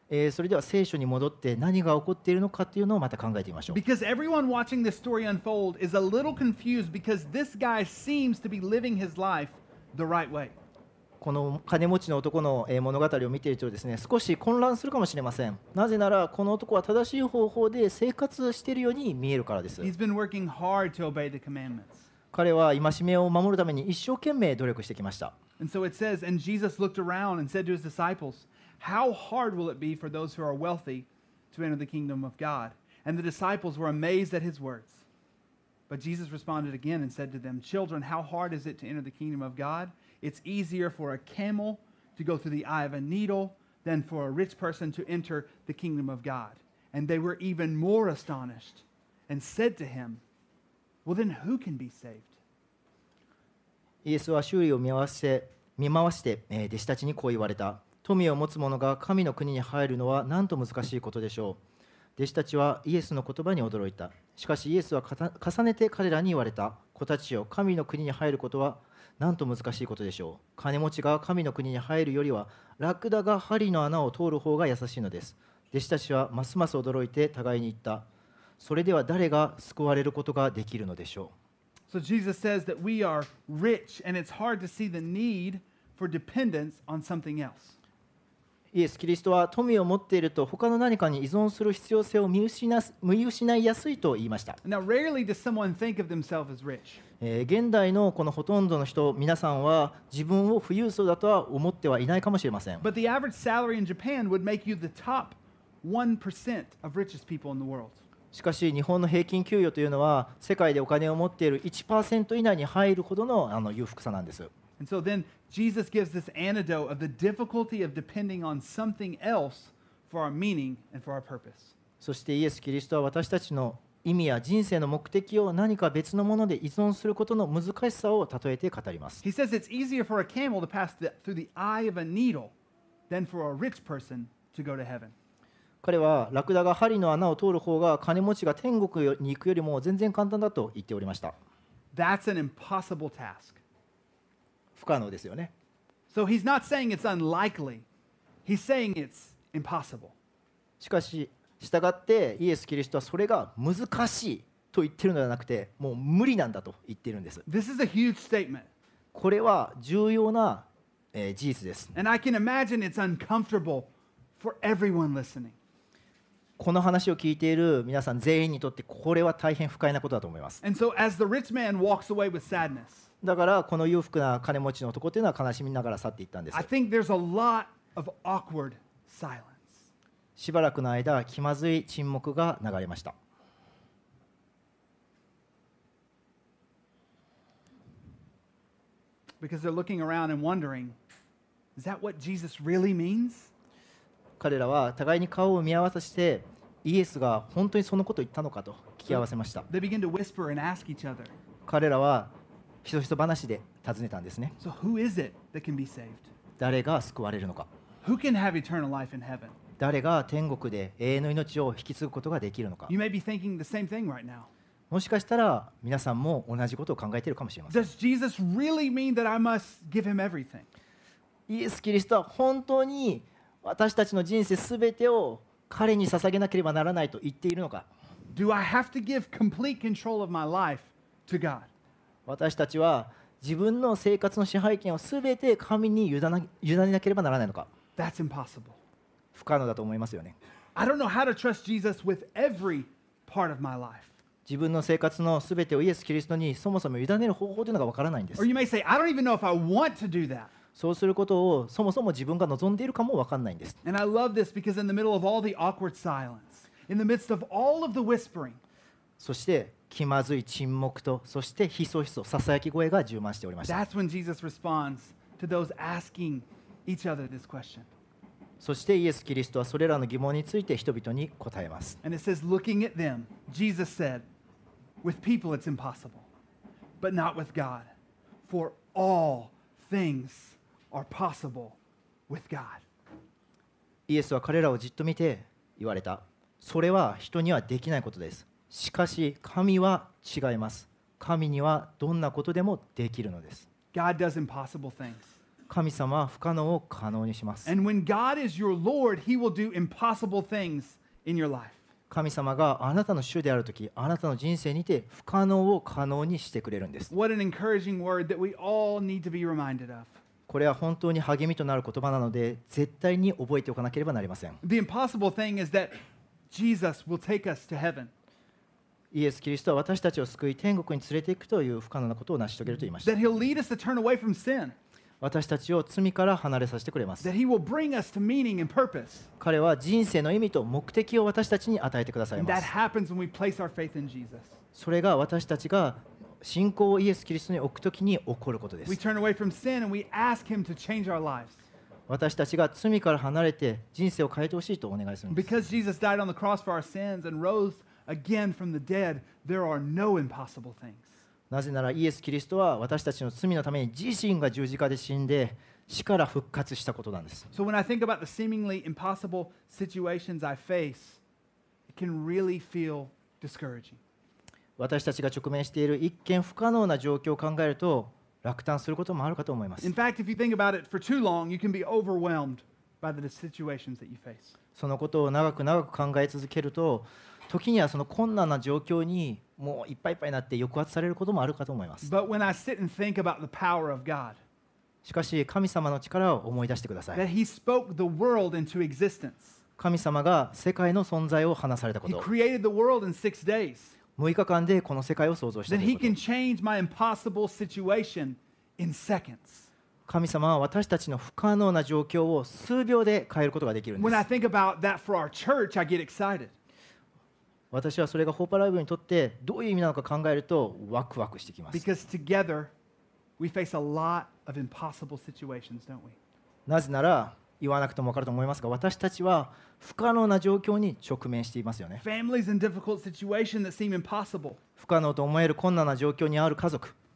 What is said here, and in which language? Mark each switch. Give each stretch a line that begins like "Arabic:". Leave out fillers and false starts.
Japanese: それでは聖書に戻って何が起こっているのかというのをまた考えてみましょう。
English: Because everyone watching this story unfold is a little confused because this guy seems to be living his life the right way.
Japanese: この金持ちの男の物語を見ているとですね、少し混乱するかもしれません。なぜならこの男は正しい方法で生活しているように見えるからです。
English: He's been working hard to obey the commandments.
Japanese: 彼は戒めを守るために一生懸命努力してきました。
English: And so it says, and Jesus looked around and said to his disciples,How hard will it be for those who are wealthy to enter the kingdom of God? And the disciples were amazed at his words. But Jesus responded again and said to them, Children, how hard is it to enter the kingdom of God? It's easier for a camel to go through the eye of a needle than for a rich person to enter the kingdom of God. And they were even more astonished and said to him, Well, then who can be saved?
Japanese: イエスは周囲を見回して、弟子たちにこう言われた。富を持つ者が神の国に入るのはなんと難しいことでしょう。弟子たちはイエスの言葉に驚いた。しかしイエスは重ねて彼らに言われた。子たちよ、神の国に入ることはなんと難しいことでしょう。金持ちが神の国に入るよりはラクダが針の穴を通る方が優しいのです。弟子たちはますます驚いて互いに言った。それでは誰が救われることができるのでしょう。
English: So Jesus says that we are rich and it's hard to see the need for dependence on something else.
Japanese: イエス・キリストは富を持っていると他の何かに依存する必要性を見失いやすいと言いました。
English: Now, rarely does someone think of themselves as rich.
Japanese: 現代のこのほとんどの人、皆さんは自分を富裕層だとは思ってはいないかもしれません。
English: But the average salary in Japan would make you the top 1% of richest people in the world.
Japanese: しかし日本の平均給与というのは世界でお金を持っている 1% 以内に入るほど の裕福さなんです。
English: And so then Jesus gives this antidote of the difficulty of depending on something else for our meaning and for our purpose.
Japanese: そしてイエス・キリストは私たちの意味や人生の目的を何か別のもので依存することの難しさを例えて語ります。
English: He says it's easier for a camel to pass through the eye of a needle than for a rich person to go to heaven.
Japanese: 彼はラクダが針の穴を通る方が金持ちが天国に行くよりも全然簡単だと言っておりました。
English: That's an impossible task.
Japanese: 不可能ですよね。
English: So he's not saying it's unlikely. He's saying it's impossible.
Japanese: しかし、したがってイエス・キリストはそれが難しいと言ってるのではなくて、もう無理なんだと言ってるんです。
English: This is a huge statement.
Japanese: これは重要な、事実です。
English: And I can imagine it's uncomfortable for everyone listening.
Japanese: この話を聞いている皆さん全員にとってこれは大変不快なことだと思います。
English: And so as the rich man walks away with sadness.
Japanese: だからこの裕福な金持ちの男というのは悲しみながら去っていったんです。
English: I think there's a lot of awkward silence.
Japanese: しばらくの間気まずい沈黙が流れました。
English: Because they're looking around and wondering, is that what Jesus really means?
Japanese: 彼らは互いに顔を見合わせてイエスが本当にそのことを言ったのかと聞き合わせました。
English: They begin to whisper and ask each other.
Japanese: 彼らはひそひそ話で尋ねたんですね。
English: So who is it that can be saved?
Japanese: 誰が救われるのか。
English: Who can have eternal life in heaven?
Japanese: 誰が天国で永遠の命を引き継ぐことができるのか。
English: You may be thinking the same thing right now.
Japanese: もしかしたら皆さんも同じことを考えているかもしれません。
English: Does Jesus really mean that I must give him everything?
Japanese: イエス・キリストは本当に私たちの人生すべてを彼に捧げなければならないと言っているのか。
English: Do I have to give complete control of my life to God?
Japanese: 私たちは自分の生活の支配権をすべて神に委ねなければならないのか。
English: That's impossible.
Japanese: 不可能だと思いますよね。
English: I don't know how to trust Jesus with every part of my life.
Japanese: 自分の生活のすべてをイエス・キリストにそもそも委ねる方法というのがわからないんです。
English: Or you may say, I don't even know if I want to do that.
Japanese: そうすることをそもそも自分が望んでいるかもわからないんです。
English: And I love this because in the middle of all the awkward silence, in the midst of all of the whispering,
Japanese: そして気まずい沈黙とそしてひそひそささやき声が充満しておりました。
English: That's when Jesus responds to those asking each other this question.
Japanese: そしてイエス・キリストはそれらの疑問について人々に答えます。
English: And it says, looking at them, Jesus said, with people it's impossible, but not with God, for all things are possible with God.
Japanese: イエスは彼らをじっと見て言われた。それは人にはできないことです。しかし神は違います。神にはどんなことでもできるのです。
English: God does impossible things.
Japanese: 神様は不可能を可能にします。
English: And when God is your Lord, He will do impossible things in your life.
Japanese: 神様があなたの主であるとき、あなたの人生にて不可能を可能にしてくれるんです。
English: What an encouraging word that we all need to be reminded of.
Japanese: これは本当に励みとなる言葉なので、絶対に覚えておかなければなりません。
English: The impossible thing is that Jesus will take us to heaven.
Japanese: イエス・キリストは私たちを救い、天国に連れていくという不可能なことを成し遂げると言いました。
English: That he'll lead us to turn away from sin.
Japanese: 私たちを罪から離れさせてくれます。
English: That he will bring us to meaning and purpose.
Japanese: 彼は人生の意味と目的を私たちに与えてくださいます。
English: That happens when we place our faith in Jesus.
Japanese: それが私たちが信仰をイエス・キリストに置くときに起こることです。
English: We turn away from sin and we ask him to change our lives.
Japanese: 私たちが罪から離れて人生を変えてほしいとお願いするんです。
English: Because Jesus died on the cross for our sins and rose again from the dead, there are no impossible things.
Japanese: なぜならイエス・キリストは私たちの罪のために自身が十字架で死んで死から復活したことなんです。
English: So when I think about the seemingly impossible situations I face, it can really feel discouraging.
Japanese: 私たちが直面している一見不可能な状況を考えると落胆することもあるかと思います。
English: In fact, if you think about it for too long, you can be overwhelmed by the situations that you face.
Japanese: そのことを長く長く考え続けると、時にはその困難な状況にもういっぱいいっぱいになって抑圧されることもあるかと思います。
English: But when I sit and think about the power of God,
Japanese: しかし神様の力を思い出してください。
English: That He spoke the world into existence.
Japanese: 神様が世界の存在を話されたこと。
English: He created the world in six days.
Japanese: 6日間でこの世界を想像したということ。
English: Then he can change my impossible situation in seconds.
Japanese: 神様は私たちの不可能な状況を数秒で変えることができるんです。
English: When I think about that for our church, I get excited.
Japanese: 私はそれがホーパーライブにとってどういう意味なのか考えるとワクワクしてきます。
English: Because together we face a lot of impossible situations, don't we?
Japanese: なぜなら言わなくても分かると思いますが、私たちは不可能な状況に直面していますよね。
English: Families in difficult situations that seem impossible.
Japanese: 不可能と思える困難な状況にある家族。